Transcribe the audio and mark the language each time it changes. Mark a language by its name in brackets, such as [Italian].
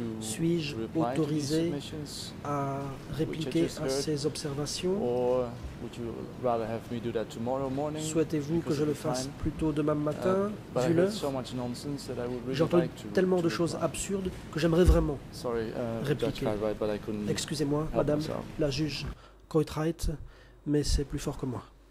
[French] Suis-je autorisé à répliquer à ces observations? [English] Would you rather have me do that tomorrow morning? [French] Souhaitez-vous que je le fasse plus tôt demain matin, vu l'heure? J'entends tellement de choses absurdes que j'aimerais vraiment répliquer. Excusez-moi, Madame la juge Cartwright, mais c'est plus fort que moi.